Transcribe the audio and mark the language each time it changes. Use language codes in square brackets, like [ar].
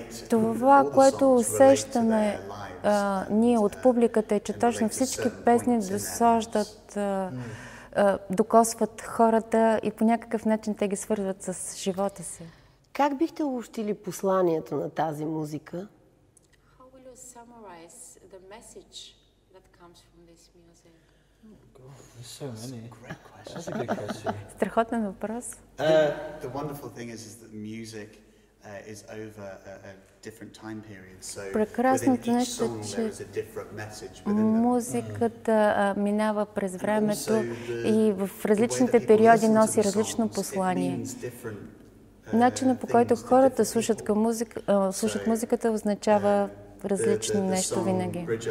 [bg] Това, което усещаме ние от публиката е, че точно всички песни досаждат, докосват хората и по някакъв начин те ги свързват с живота си. Как бихте обобщили посланието на тази музика? [en] How will you summarize the message that comes from this music? Oh god, there's so many. That's a great question. That's a good question. Страхотен въпрос. The wonderful thing is that music is over a different time period. So [bg] прекрасното нещо е, че музиката минава през времето и в различните периоди носи различно послание. Начинът по който хората слушат, слушат музиката означава различни неща винаги.